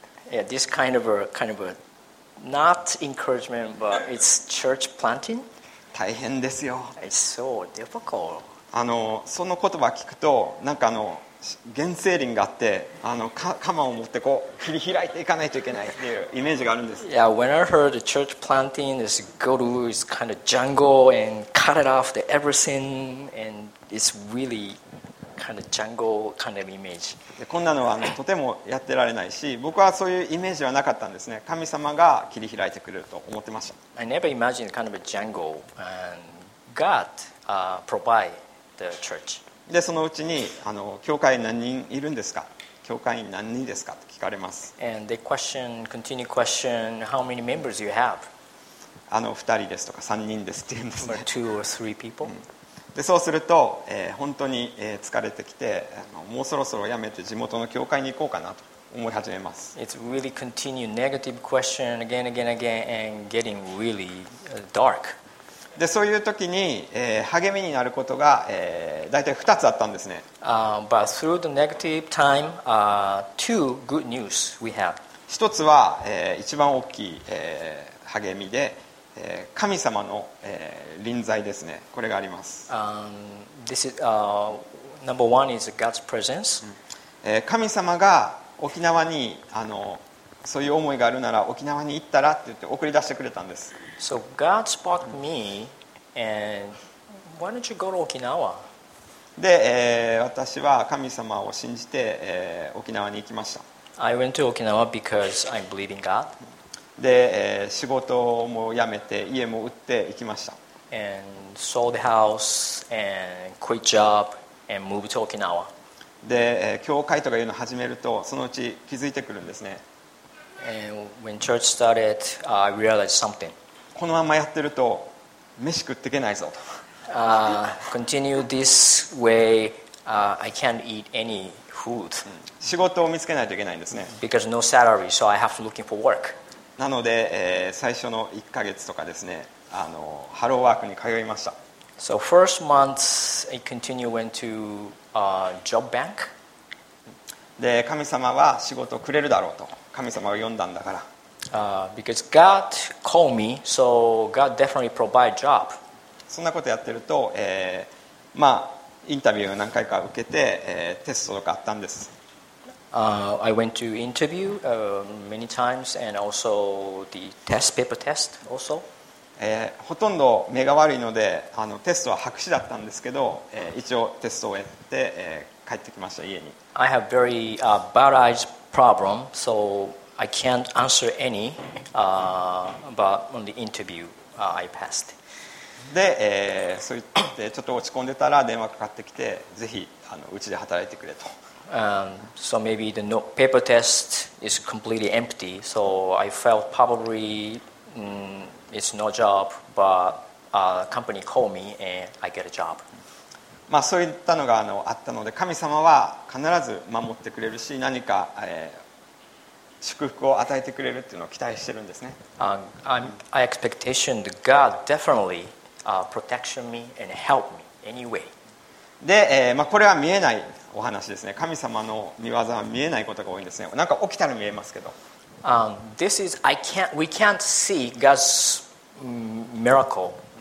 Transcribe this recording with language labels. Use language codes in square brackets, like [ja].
[en] Yeah, this kind of a not encouragement, but it's church planting. [ja] 大変ですよ。 [en] It's so difficult. [ja] その言葉聞くとなんか原生林があって鎌を持ってこう切り開いていかないといけないっていうイメージがあるんです。 [en] Yeah, when I heard church planting is go to is kind of jungle and cut it off the everything and it's really kind of jungle kind of image. [ja] でこんなのはとてもやってられないし、僕はそういうイメージはなかったんですね。神様が切り開いてくれると思ってました。 [en] I never imagined kind of a jungle and God provideThe church. [ja] でそのうちに教会何人いるんですか、教会員何人ですかと聞かれます。 [en] And they continue question how many members you have. [ja] 2人ですとか3人ですって言うんですね。 [en] Or two or three people. [ja] でそうすると、本当に疲れてきて、もうそろそろやめて地元の教会に行こうかなと思い始めます。 [en] It's really continue negative question again and getting really dark. [ja] でそういう時に、励みになることが、大体2つあったんですね。 [en] But through the negative time, two good news we have. [ja] 一つは、一番大きい、励みで、神様の、臨在ですね。これがあります。 [en] This is, number one is God's presence. [ja] 神様が沖縄にそういう思いがあるなら沖縄に行ったらって言って送り出してくれたんです。 [en] So God spoke me and why don't you go to Okinawa? [ja] で、私は神様を信じて、沖縄に行きました。 [en] I went to Okinawa because I believe in God. [ja] で、仕事も辞めて家も売って行きました。 [en] And sold the house and quit job and moved to Okinawa. [ja] で、教会とかいうの始めるとそのうち気づいてくるんですね。 [en] And when church started, I realized something. [ja] このままやってると飯食っていけないぞと。 [en] Continue this way, I can't eat any food. [ja] 仕事を見つけないといけないんですね。 [en] Because no salary, so I have to looking for work. [ja] なので、最初の1ヶ月とかですね、ハローワークに通いました。 [en] So first month, I continue went to job bank. [ja] で、神様は仕事をくれるだろうと。神様を呼んだんだから。 [en] Because God called me, so God definitely provide job. [ja] そんなことやってると、まあインタビューを何回か受けて、テストとかあったんです。 [en] I went to interview many times and also the test paper test also. [ja] ほとんど目が悪いのでテストは白紙だったんですけど、一応テストを終えて、帰ってきました家に。 [en] I have very bad eyes. Problem, so I can't answer any, but on the interview, I passed. [ja] で、そう言ってちょっと落ち込んでたら電話かかってきて、ぜひうちで働いてくれと。 [en] So maybe the paper test is completely empty, so I felt probably it's no job, but a company called me and I get a job. [ja] まあ、そういったのがあったので、神様は必ず守ってくれるし、何か、祝福を与えてくれるっていうのを期待してるんですね。 [en] I expectation that God definitely protection me and help me anyway. [ja] で、まあ、これは見えないお話ですね。神様の御業は見えないことが多いんですね。なんか起きたら見えますけど。 [en] This is I can't we can't see God's miracle.